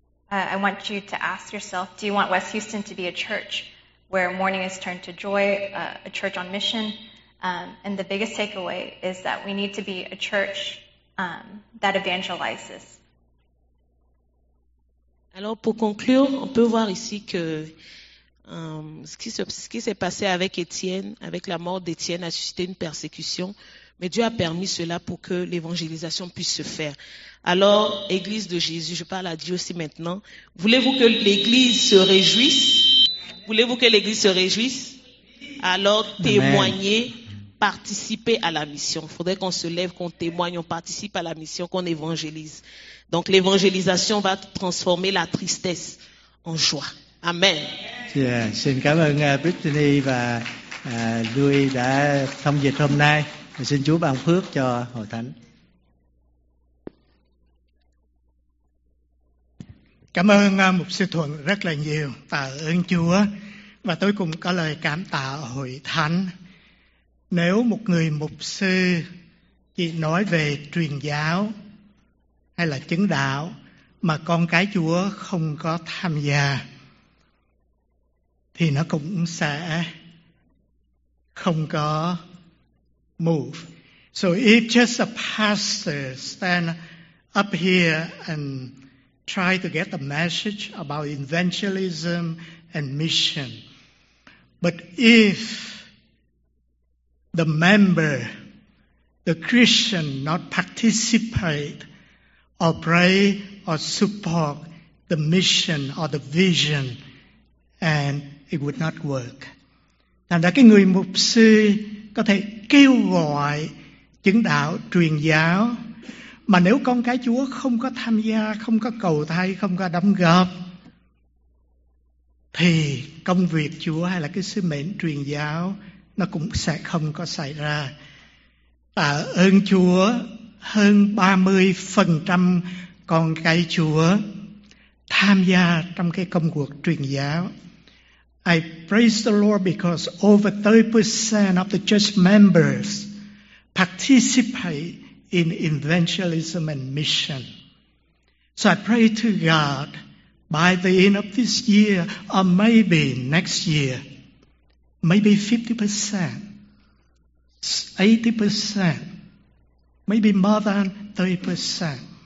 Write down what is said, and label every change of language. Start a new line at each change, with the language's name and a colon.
English: I want you to ask yourself, do you want West Houston to be a church where mourning is turned to joy, a church on mission? And the biggest takeaway is that we need to be a church that evangelizes.
French: Alors pour conclure, on peut voir ici que ce qui s'est passé avec Étienne, avec la mort d'Étienne, a suscité une persécution. Mais Dieu a permis cela pour que l'évangélisation puisse se faire. Alors, Église de Jésus, je parle à Dieu aussi maintenant. Voulez-vous que l'Église se réjouisse? Voulez-vous que l'Église se réjouisse? Alors, témoignez. Amen. participer à la mission. Il faudrait qu'on se lève, qu'on témoigne, on participe à la mission, qu'on évangélise. Donc l'évangélisation va transformer la tristesse en joie. Amen.
Vietnamese: Xin cảm ơn Brittany và Louis đã thông dịch hôm nay. Xin Chúa ban phước cho hội thánh. Cảm ơn Mục sư Thuận rất là nhiều, tạ ơn Chúa. Và tôi cũng có lời cảm tạ hội thánh. Nếu một người mục sư chỉ nói về truyền giáo hay là chứng đạo mà con cái Chúa không có tham gia thì nó cũng sẽ không có move.
English: So if just a pastor stand up here and try to get the message about evangelism and mission, but if the member, the Christian, not participate or pray or support the mission or the vision, and it would not work.
Vietnamese: Thành ra cái người mục sư có thể kêu gọi chứng đạo, truyền giáo, mà nếu con cái Chúa không có tham gia, không có cầu thay, không có đóng góp, thì công việc Chúa hay là cái sứ mệnh truyền giáo nó cũng sẽ không có xảy ra. Tạ ơn Chúa, hơn 30% con cái Chúa tham gia trong cái công cuộc truyền giáo.
English: I praise the Lord because over 30% of the church members participate in evangelism and mission. So I pray to God, by the end of this year, or maybe next year, maybe 50%, 80%, maybe more than 30%.